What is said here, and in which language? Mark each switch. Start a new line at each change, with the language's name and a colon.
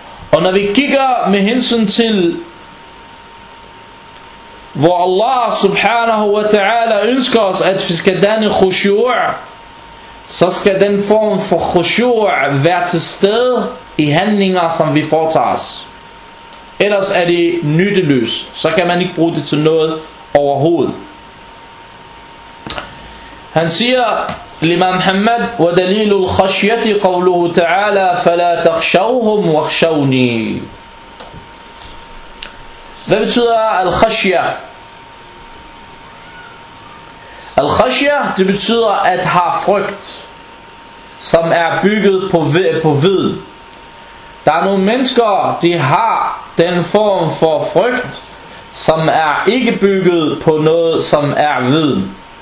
Danish: Og når vi kigger med hensyn til, hvor Allah subhanahu wa ta'ala ønsker os, at vi skal danne khushu', så skal den form for khushu' være til stede i handlinger, som vi foretager os. Ellers er det nytteløst. Så kan man ikke bruge det til noget overhovedet. Han siger,
Arabic: Imam Muhammad, وَدَلِيلُ الْخَشْيَةِ قَوْلُهُ تَعَالَى فَلَا تَخْشَوْهُمْ وَخْشَوْنِي.
Danish: Hvad betyder al-khashya? Al-khashya, det betyder at have frygt, som er bygget på viden. Der er nogle mennesker, de har den form for frygt, som er ikke bygget på noget, som er viden.